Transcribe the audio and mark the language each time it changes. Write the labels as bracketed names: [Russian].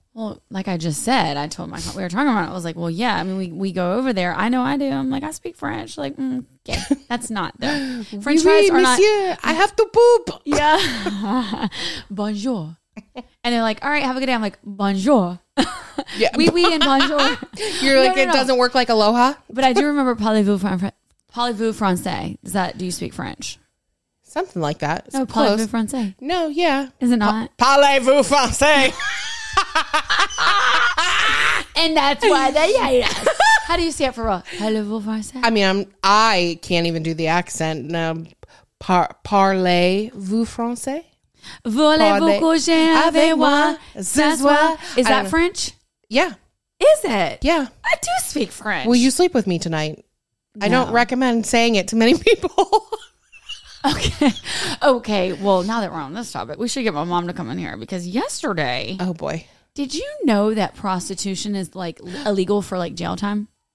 [English] well, like I just said, I told my, we were talking about it. I was like, well, yeah, I mean, we go over there. I know I do. I'm like, I speak French. Like, okay. That's not the French fries are [French] monsieur, [English] not. Monsieur, I have to poop. Yeah. Bonjour. And they're like, all right, have a good day. I'm like, bonjour. Yeah. [French] Oui, oui, and bonjour. [English] You're like, no, doesn't work like aloha. But I do remember [French] parlez-vous français. [English] Is that, do you speak French? Something like that. No, [French] parlez-vous français. [English] No, yeah. Is it not? [French] Parlez-vous français. [English] And that's why they hate us. How do you say it for real? [French] Parlez-vous français? [English] I mean, I can't even do the accent. No, [French] parlez-vous français? Voulez-vous coucher avec moi ce soir? [English] Is that French? Yeah. Is it? Yeah. I do speak French. Will you sleep with me tonight? No. I don't recommend saying it to many people. Okay. Well, now that we're on this topic, we should get my mom to come in here because yesterday. Oh, boy. Did you know that prostitution is like illegal for like jail time?